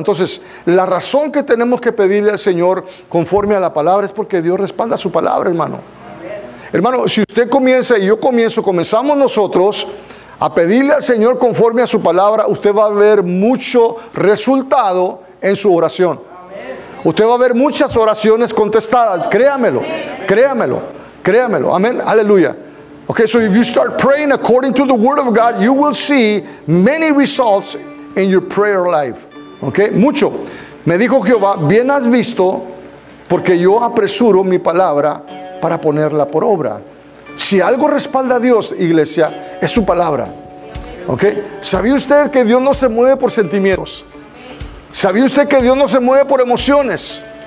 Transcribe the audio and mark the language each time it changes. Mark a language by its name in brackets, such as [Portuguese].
[Spanish] Entonces, la razón que tenemos que pedirle al Señor conforme a la palabra es porque Dios respalda su palabra, hermano. Amén. Hermano, si usted comienza y yo comienzo, comenzamos nosotros a pedirle al Señor conforme a su palabra, usted va a ver mucho resultado en su oración. Amén. Usted va a ver muchas oraciones contestadas. Créamelo. Amén. Créamelo. Créamelo. Amén. Aleluya. [English] Okay, so if you start praying according to the word of God, you will see many results in your prayer life. [Spanish] Okay? Mucho. Me dijo Jehová, bien has visto, porque yo apresuro mi palabra para ponerla por obra. Si algo respalda a Dios, iglesia, es su palabra. Okay? ¿Sabía usted que Dios no se mueve por sentimientos? ¿Sabía usted que Dios no se mueve por emociones?